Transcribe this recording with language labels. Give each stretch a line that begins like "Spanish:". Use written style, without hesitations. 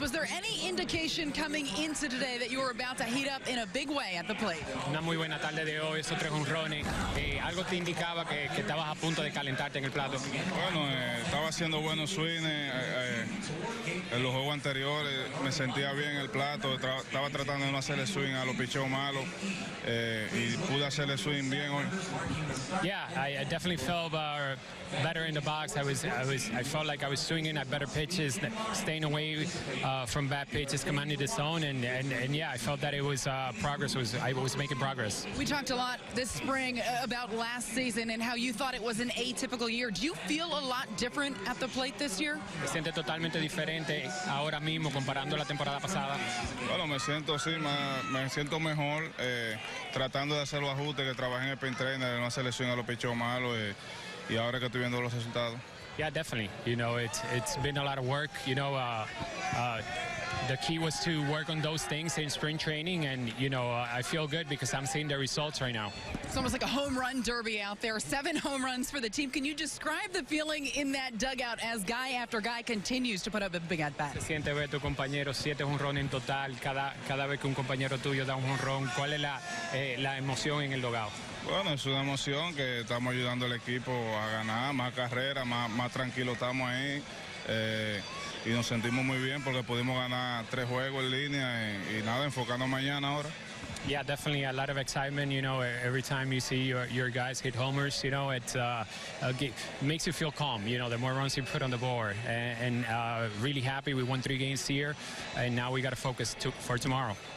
English: Was there any indication coming into today that you were about to heat up in a big way at the plate?
Spanish: Una muy buena tarde de hoy, esos 3 jonrones. ¿Algo te indicaba que estabas a punto de calentarte en el plato? Bueno, estaba haciendo buenos swings en los juegos anteriores. Me sentía bien en el plato. Estaba tratando de no hacerle swing a los picheos malos y pude hacerle swing bien hoy.
English: Yeah, I definitely felt better in the box. I felt like I was swinging at better pitches, staying away from bad pitches, commanding the zone, and yeah, I felt that it was progress. I was making progress. We talked a lot this spring about last season and how you thought it was an atypical year. Do you feel a lot different at the plate this year?
Spanish: Me siento totalmente diferente ahora mismo comparando la temporada pasada. Bueno, me siento mejor tratando de hacer los ajustes que trabajé en el pin trainer, no hacerle swing a los pichos malos. Y ahora que estoy viendo los resultados.
English: Yeah, definitely. You know, it's been a lot of work. You know, the key was to work on those things in spring training. And, you know, I feel good because I'm seeing the results right now. It's almost like a home run derby out there. 7 home runs for the team. Can you describe the feeling in that dugout as guy after guy continues to put up a big at bat?
Spanish: Se siente ver tu compañero 7 jonrones en total. Cada vez que un compañero tuyo da un jonrón, ¿cuál es la emoción en el dugout? Bueno, es una emoción que estamos ayudando al equipo a ganar, más carrera, más tranquilo estamos ahí. Y nos sentimos muy bien porque pudimos ganar 3 juegos en línea y nada, enfocando mañana ahora.
English: Yeah, definitely a lot of excitement, you know, every time you see your guys hit homers, you know, it makes you feel calm, you know, the more runs you put on the board. And really happy we won 3 games here, and now we got to focus for tomorrow.